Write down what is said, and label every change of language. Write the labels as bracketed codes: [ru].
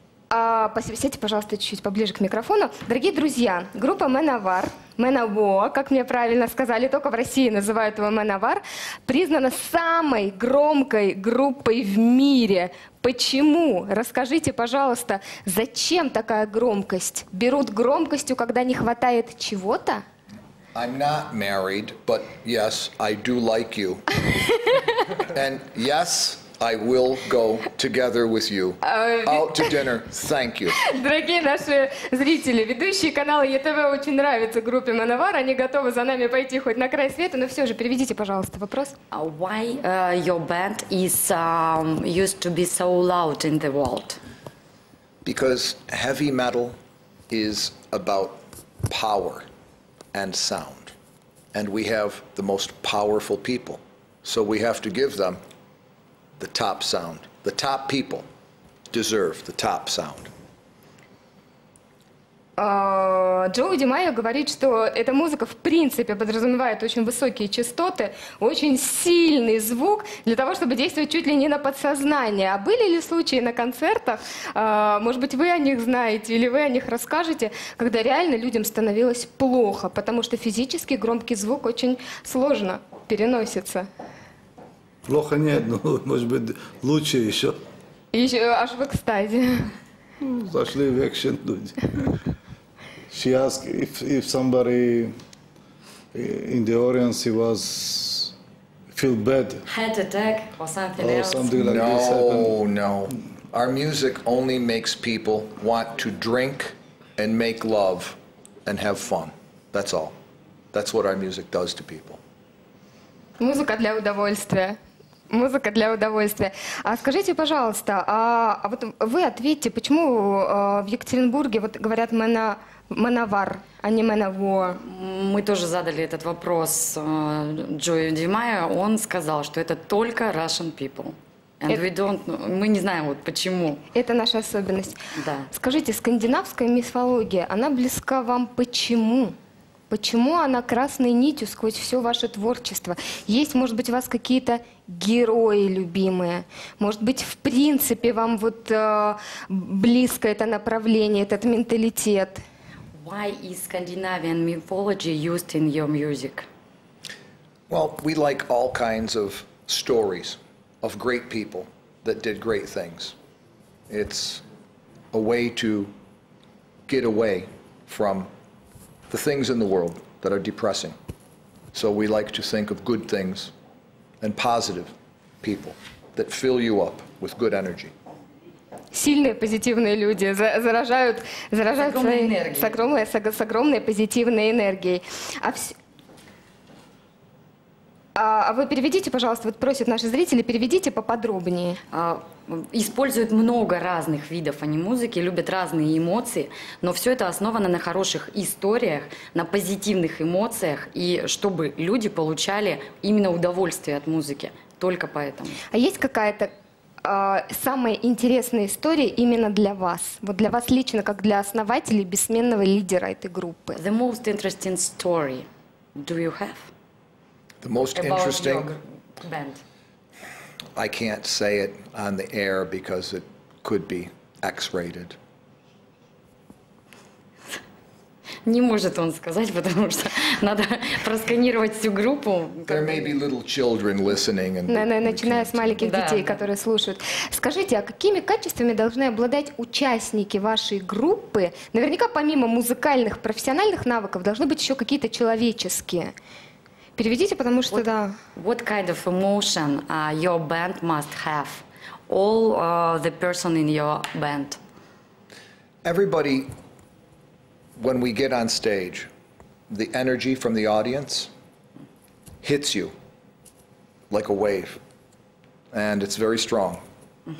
[ru] Сядьте, пожалуйста, чуть-чуть поближе к микрофону. Дорогие друзья, группа Мановар, Мановар, как мне правильно сказали, только в России называют его Мановар, признана самой громкой группой в мире. Почему? Расскажите, пожалуйста, зачем такая громкость? Берут громкостью, когда не хватает чего-то? [en] I'm not married, but yes, I do like you. And yes, I will go together with you out to dinner. Thank you. [ru] Дорогие наши зрители, ведущие канала ЕТВ очень нравятся группе Мановар. Они готовы за нами пойти хоть на край света, но все же переведите, пожалуйста, вопрос. [en] Why your band is used to be so loud in the world? Because heavy metal is about power and sound, and we have the most powerful people, so we have to give them the top sound. The top people deserve the top sound. [ru] Джоуи Ди Майя говорит, что эта музыка в принципе подразумевает очень высокие частоты, очень сильный звук для того, чтобы действовать чуть ли не на подсознание. А были ли случаи на концертах, может быть, вы о них знаете или вы о них расскажете, когда реально людям становилось плохо, потому что физически громкий звук очень сложно переносится? Плохо нет, но, может быть, лучше еще. И еще аж в экстазе. Ну, зашли в экшен люди. Сейчас и в Самбаре, и в Ориенсе у вас [en] feel bad. Head attack or something else. Or something like no, this happened. No. Our music only makes people want to drink and make love and have fun. That's all. That's what our music does to people. [ru] Музыка для удовольствия. Музыка для удовольствия. А скажите, пожалуйста, а вот вы ответьте, почему в Екатеринбурге вот говорят Мановар, а не Манаво? Мы тоже задали этот вопрос Джоуи Ди Майя. Он сказал, что это только [en] Russian people. And [ru] это, мы не знаем, вот почему. Это наша особенность. Да. Скажите, скандинавская мифология, она близка вам почему? Почему она красной нитью сквозь все ваше творчество? Есть, может быть, у вас какие-то герои любимые? Может быть, в принципе, вам вот близко это направление, этот менталитет? [en] Why is Scandinavian mythology used in your music? Well, we like all kinds of stories of great people that did great things. It's a way to get away from the things in the world that are depressing. So we like to think of good things and positive people that fill you up with good energy. [ru] Сильные позитивные люди заражают с огромной позитивной энергией. А вы переведите, пожалуйста, вот просят наши зрители, переведите поподробнее. Используют много разных видов они музыки, любят разные эмоции, но все это основано на хороших историях, на позитивных эмоциях, и чтобы люди получали именно удовольствие от музыки, только поэтому. А есть какая-то самая интересная история именно для вас? Вот для вас лично, как для основателя, бессменного лидера этой группы. [en] The most interesting story do you have? The most about interesting band. I can't say it on the air because it could be X-rated. [ru] Не может он сказать, потому что надо просканировать всю группу. [en] There may be little children listening. [ru] Начиная с маленьких детей, которые слушают. Скажите, а какими качествами должны обладать участники вашей группы? Наверняка, помимо музыкальных, профессиональных навыков, должны быть еще какие-то человеческие. Переведите, потому что да. [en] What kind of emotion your band must have? All the person in your band. Everybody, when we get on stage, the energy from the audience hits you like a wave, and it's very strong. Mm-hmm.